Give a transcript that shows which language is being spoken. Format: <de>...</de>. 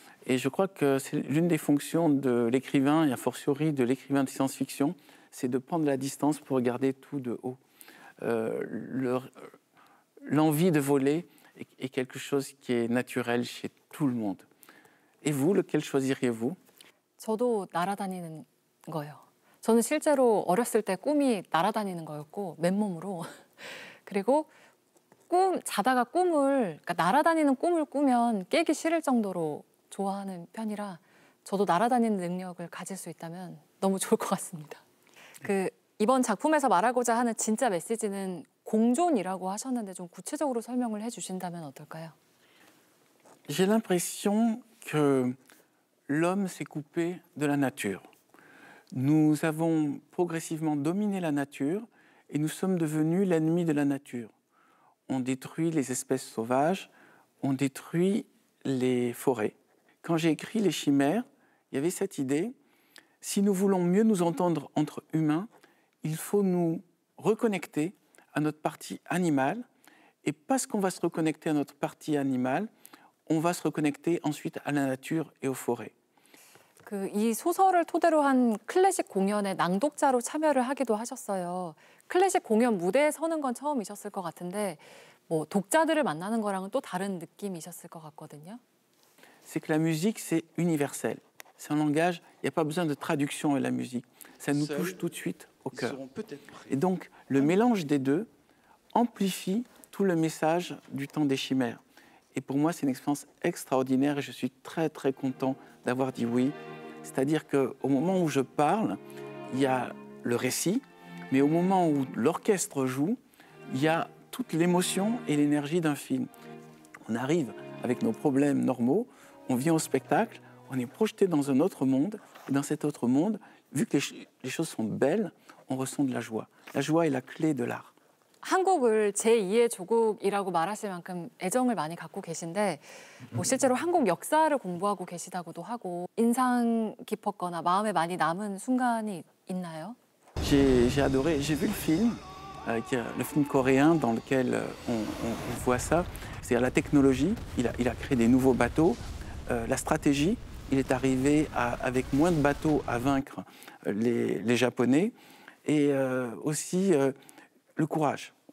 <fr>Et je crois que c'est l'une des fonctions de l'écrivain, et a fortiori de l'écrivain de science-fiction, c'est de prendre de la distance pour regarder tout de haut. L'envie de voler est quelque chose qui est naturel chez tout le monde. Et vous, lequel choisiriez-vous ?</fr> <ko>저도 날아다니는 거요. 저는 실제로 어렸을 때 꿈이 날아다니는 거였고 맨몸으로 그리고 꿈 자다가 꿈을 그러니까 날아다니는 꿈을 꾸면 깨기 싫을 정도로 좋아하는 편이라 저도 날아다니는 능력을 가질 수 있다면 너무 좋을 것 같습니다. 그 이번 작품에서 말하고자 하는 진짜 메시지는 공존이라고 하셨는데 좀 구체적으로 설명을 해주신다면 어떨까요?</ko> <fr>J'ai l'impression que l'homme s'est coupé de la nature. Nous avons progressivement dominé la nature et nous sommes devenus l'ennemi de la nature. On détruit les espèces sauvages, on détruit les forêts. Quand j'ai écrit Les Chimères, il y avait cette idée, si nous voulons mieux nous entendre entre humains, il faut nous reconnecter à notre partie animale. Et parce qu'on va se reconnecter à notre partie animale, on va se reconnecter ensuite à la nature et aux forêts.</fr> <ko>그 이 소설을 토대로 한 클래식 공연에 낭독자로 참여를 하기도 하셨어요. 클래식 공연 무대에 서는 건 처음이셨을 것 같은데 뭐 독자들을 만나는 거랑은 또 다른 느낌이셨을 것 같거든요.</ko> <fr>C'est que la musique c'est universel. C'est un langage, il y a pas besoin de traduction et la musique. Ça nous touche tout de suite au cœur. Et donc le mélange des deux amplifie tout le message du temps des chimères. Et pour moi, c'est une expérience extraordinaire et je suis très, très content d'avoir dit oui. C'est-à-dire qu'au moment où je parle, il y a le récit, mais au moment où l'orchestre joue, il y a toute l'émotion et l'énergie d'un film. On arrive avec nos problèmes normaux, on vient au spectacle, on est projeté dans un autre monde. Et dans cet autre monde, vu que les choses sont belles, on ressent de la joie. La joie est la clé de l'art.</fr> <ko>한국을 제2의 조국이라고 말하실 만큼 애정을 많이 갖고 계신데 뭐 실제로 한국 역사를 공부하고 계시다고도 하고 인상 깊었거나 마음에 많이 남은 순간이 있나요?</ko> <fr>J'ai adoré. J'ai vu le film, le film coréen dans lequel on voit ça. C'est la technologie. Il a créé des nouveaux bateaux. La stratégie. Il est arrivé avec moins de bateaux à vaincre les Japonais et aussi le courage.</fr>